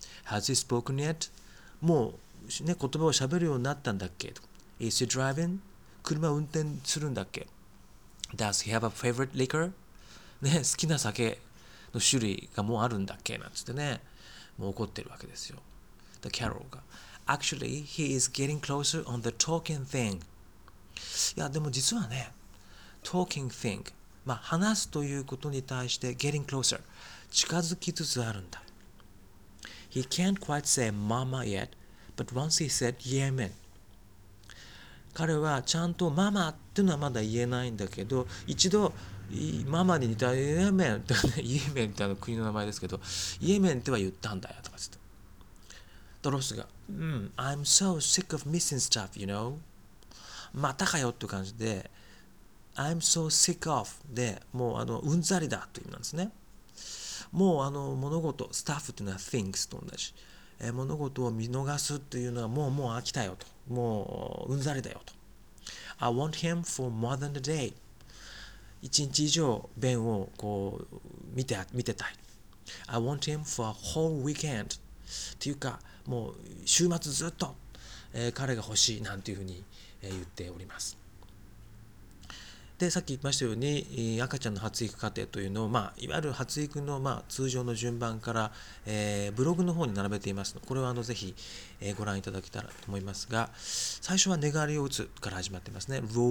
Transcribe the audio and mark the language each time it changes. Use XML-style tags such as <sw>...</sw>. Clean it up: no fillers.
<en>Has he spoken yet?</en> <ja>もう、ね、言葉を喋るようになったんだっけと。</ja> <en>Is he driving?</en> <ja>車運転するんだっけ。</ja> <en>Does he have a favorite liquor?</en> <ja>ね、好きな酒の種類がもうあるんだっけなんつってね、もう怒ってるわけですよ。 The Carol が。</ja> <en>Actually, he is getting closer on the talking thing.</en> <ja>いやでも実はね、</ja> <en>talking thing、</en> <ja>まあ、話すということに対して</ja> <en>getting closer、</en> <ja>近づきつつあるんだ。</ja> <en>He can't quite say mama yet but once he said yamen、</en> <ja>彼はちゃんとママっていうのはまだ言えないんだけど、一度ママに似たイエメンイエメンってあの国の名前ですけど、イエメンっては言ったんだよとかつって、ドロスが、</ja> <en>I'm so sick of missing stuff you know、</en> <ja>またかよっていう感じで、</ja> <en>I'm so sick of</en> <ja>で、もうあのうんざりだという意味なんですね。もうあの物事、スタッフというのは things と同じ、物事を見逃すっていうのはもう飽きたよと、もううんざりだよと。</ja> <en>I want him for more than a day。</en> <ja>一日以上ベンをこう見てたい。</ja> <en>I want him for a whole weekend。</en> <ja>っていうかもう週末ずっと、彼が欲しいなんていうふうに、言っております。でさっき言いましたように、赤ちゃんの発育過程というのを、いわゆる発育の、通常の順番から、ブログの方に並べていますので、これはぜひ、ご覧いただけたらと思いますが、最初は寝返りを打つから始まっていますね。</ja>